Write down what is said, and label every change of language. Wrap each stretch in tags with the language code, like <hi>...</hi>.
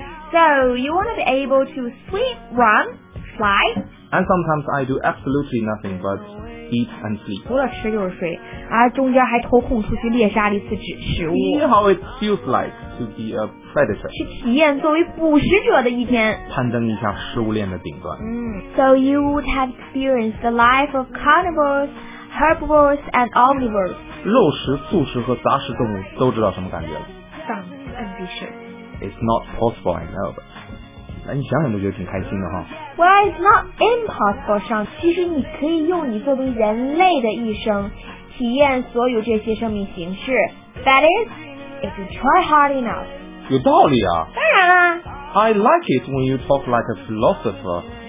<en>So you want to be able to sleep, run, fly? And sometimes I do absolutely nothing but eat and sleep.</en> <zh>除了吃就是睡，啊，中间还偷空出去猎杀了一次食物。</zh> <en>See how it feels like to be a predator.</en> <zh>去体验作为捕食者的一天，攀登一下食物链的顶端。</zh> <en>So you would have experienced the life of carnivores, herbivores, and omnivores.</en> <zh>肉食、素食和杂食动物都知道什么感觉了。</zh> <en>Sounds ambitious. It's not possible, I know, but...</en> <zh>那你想想都觉得挺开心的哈。</zh> <en>Well, it's not impossible, Sean.</en> <zh>其实你可以用你作为人类的一生体验所有这些生命形式。</zh> <en>That is, if you try hard enough.</en> <zh>有道理啊。当然啦。</zh> <en>I like it when you talk like a philosopher.</en>